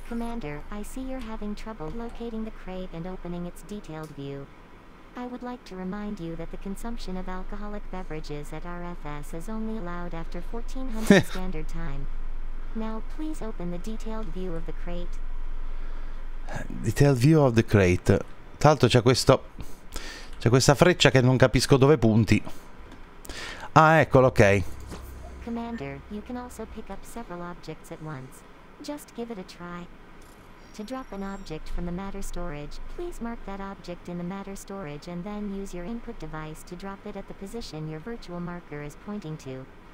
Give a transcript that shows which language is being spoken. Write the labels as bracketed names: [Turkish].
[English] Commander, I see you're having trouble locating the crate and opening its detailed view. I would like to remind you that the consumption of alcoholic beverages at RFS is only allowed after 1400 standard time. Now please open the detailed view of the crate. Detailed view of the crate. [Italian] Tra l'altro c'è questa freccia che non capisco dove punti. Ah, eccolo, ok. [English] Commander, you can also pick up several objects at once. Just give it a try. To drop an object from the matter storage, please mark that object in the matter storage and then use your input device to drop it at the position your virtual marker is pointing to.